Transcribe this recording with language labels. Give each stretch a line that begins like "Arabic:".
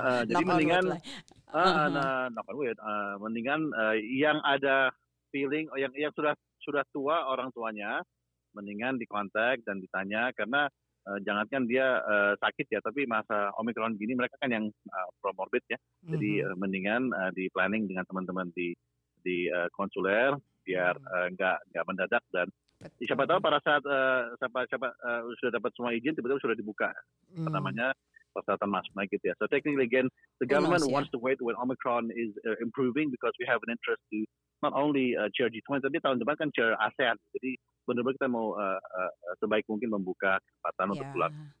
Indonesian: Jadi mendingan yang ada feeling, yang sudah tua orang tuanya, mendingan dikontak dan ditanya, karena jangankan dia sakit ya, tapi masa Omicron gini mereka kan yang promorbid ya. Jadi mendingan di planning dengan teman-teman di konsuler biar enggak mendadak dan Betul. Siapa tahu pada saat siapa sudah dapat semua izin, tiba-tiba sudah dibuka. Namanya persyaratan masuk naik gitu ya.
English: So technically again, the government wants to wait when Omicron is improving because we have an interest to not only chair G20,
Indonesian: tapi tahun depan kan chair ASEAN. Jadi benar-benar kita mau sebaik mungkin membuka kesempatan untuk pulang.